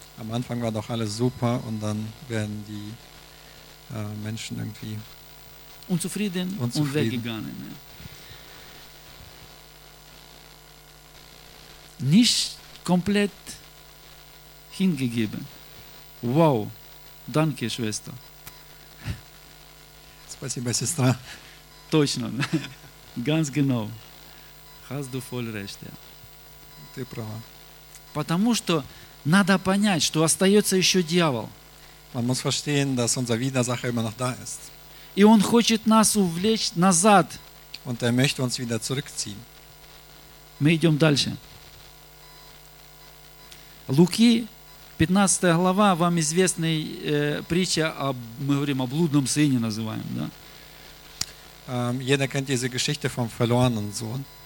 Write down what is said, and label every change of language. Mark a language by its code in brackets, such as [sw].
[de] Am Anfang war doch alles super und dann werden die Menschen irgendwie unzufrieden und weggegangen. Nicht komplett hingegeben. Wow, danke, Schwester. [ru] Спасибо, сестра. Точно, [de] ganz genau. Hast du voll recht, ja. [ru] Ты права. Потому что надо понять, что остается еще дьявол. [de] Man muss verstehen, dass unser Widersacher immer noch da ist. [ru] И он хочет нас увлечь назад. [de] Und möchte uns wieder zurückziehen. [ru] Мы идем дальше. Луки, 15 глава, вам известный притча, мы говорим о блудном сыне, называем, да? [de] Jeder kennt diese Geschichte vom verlorenen Sohn.